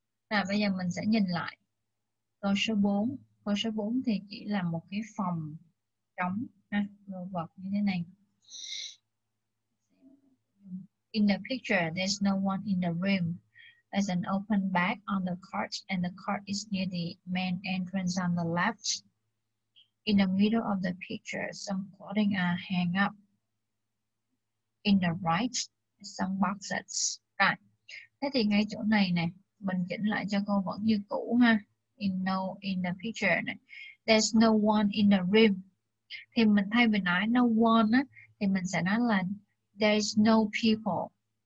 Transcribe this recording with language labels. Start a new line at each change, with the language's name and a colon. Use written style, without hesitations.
Vietnamese: Nào, bây giờ mình sẽ nhìn lại câu số 4. Câu số 4 thì chỉ là một cái phòng trống, đồ vật như thế này.
English: In the picture, there's no one in the room. There's an open bag on the cart, and the cart is near the main entrance on the left. In the middle of the picture, some clothing are hang up. In the right, some boxes. Right.
Vietnamese: Thế thì ngay chỗ này nè, mình chỉnh lại cho cô vẫn như cũ ha.
English: In the picture này. There's no one in the room.
Vietnamese: Thì mình thay vì nói no one á, thì mình sẽ nói là
English: there's no people.